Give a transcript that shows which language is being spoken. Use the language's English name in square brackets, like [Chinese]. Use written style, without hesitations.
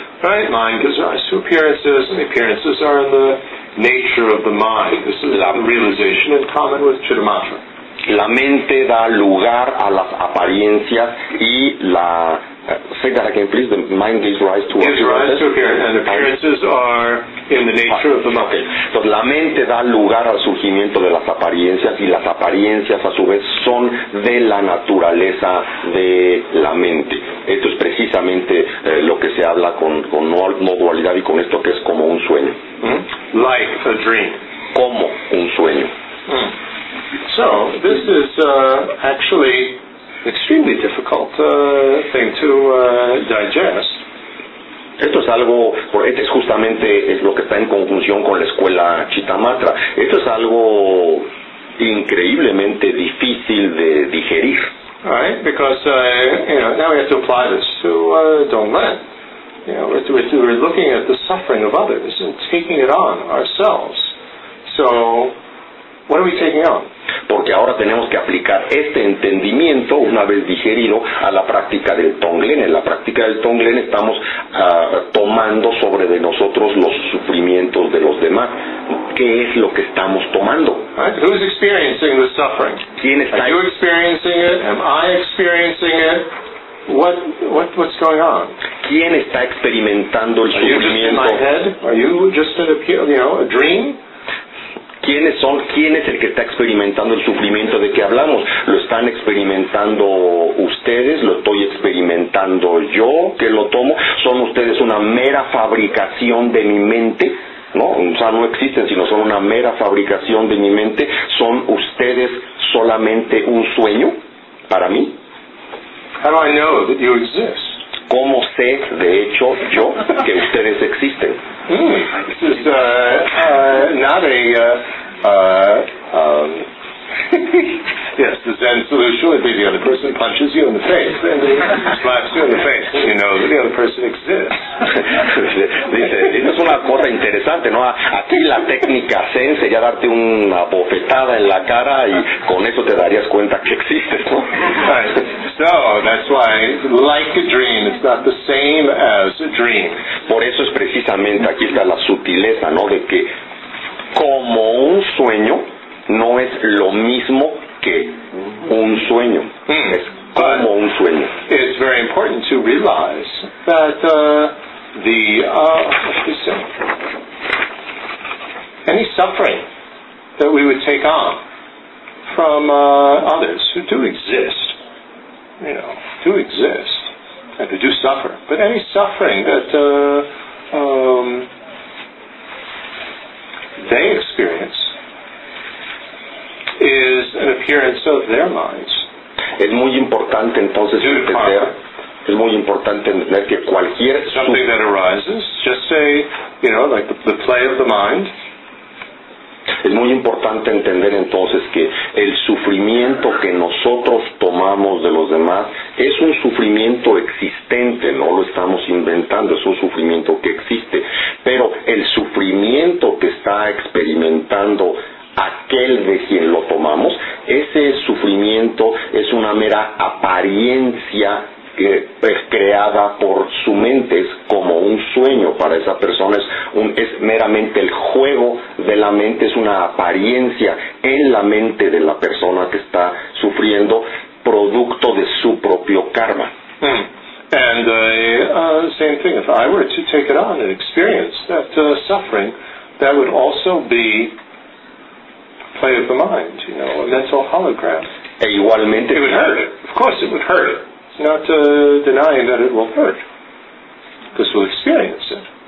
[English] Right, mind gives rise to appearances, and the appearances are in the nature of the mind. This is la realization in common with Chittamatra. [Spanish] La mente da lugar a las apariencias y la... [English] say that again, please. The mind gives rise to appearances. Gives rise to appearances, and appearances are in the nature of the mind. Okay. [Spanish] So, la mente da lugar al surgimiento de las apariencias, y las apariencias, a su vez, son de la naturaleza de la mente. Esto es precisamente lo que se habla con no dualidad y con esto que es como un sueño. [English] Like a dream. [Spanish] Como un sueño. [English] So, this is actually an extremely difficult thing to digest. [Spanish] Esto es algo, este es justamente lo que está en conjunción con la escuela Chittamatra. Esto es algo increíblemente difícil de digerir. [English] Right, because now we have to apply this to Donglen. We're looking at this suffering of others and taking it on ourselves. So, what are we taking on? [Spanish] Porque ahora tenemos que aplicar este entendimiento, una vez digerido, a la práctica del Tonglen. En la práctica del Tonglen estamos tomando sobre de nosotros los sufrimientos de los demás. ¿Qué es lo que estamos tomando? [English] Right. Who's experiencing the suffering? [Spanish] ¿Quién está? [English] Are you experiencing it? Am I experiencing it? What's going on? [Spanish] ¿Quién está experimentando el sufrimiento? [English] Are you just in my head? Are you just in a, you know, a dream? [Spanish] ¿Quién es el que está experimentando el sufrimiento de que hablamos? ¿Lo están experimentando ustedes? ¿Lo estoy experimentando yo que lo tomo? ¿Son ustedes una mera fabricación de mi mente? ¿No? O sea, no existen, sino son una mera fabricación de mi mente. ¿Son ustedes solamente un sueño para mí? [English] How do I know that you exist? [Spanish] ¿Cómo sé, de hecho, yo, que ustedes existen? [English] Yes, the Zen solution would be the other person punches you in the face and slaps you in the face and you know that the other person exists. [Spanish] Dice, es una cosa interesante, ¿no? Aquí la técnica Zen sería darte una bofetada en la cara y con eso te darías cuenta que existes, ¿no? [English] Right. So, that's why, like a dream, it's not the same as a dream. [Spanish] Por eso es precisamente, aquí está la sutileza, ¿no? De que como un sueño, no es lo mismo que un sueño. Es como un sueño. [English] It's very important to realize that any suffering that we would take on from others who do exist, you know, do exist and who do suffer, but any suffering that they experience is an appearance of their minds. [Spanish] Es muy importante entonces entender. Es muy importante entender que cualquier [English] something that arises, just say, you know, like the play of the mind. [Spanish] Es muy importante entender entonces que el sufrimiento que nosotros tomamos de los demás es un sufrimiento existente, no lo estamos inventando, es un sufrimiento que existe. Pero el sufrimiento que está experimentando aquel de quien lo tomamos, ese sufrimiento es una mera apariencia creada por su mente, es como un sueño para esa persona, es meramente el juego de la mente, es una apariencia en la mente de la persona que está sufriendo, producto de su propio karma. [English] And same thing, if I were to take it on and experience that suffering, that would also be play of the mind, you know, a mental hologram. [Spanish] E igualmente, [English] it would hurt. Of course, it would hurt. It's not denying that it will hurt, because we'll experience it.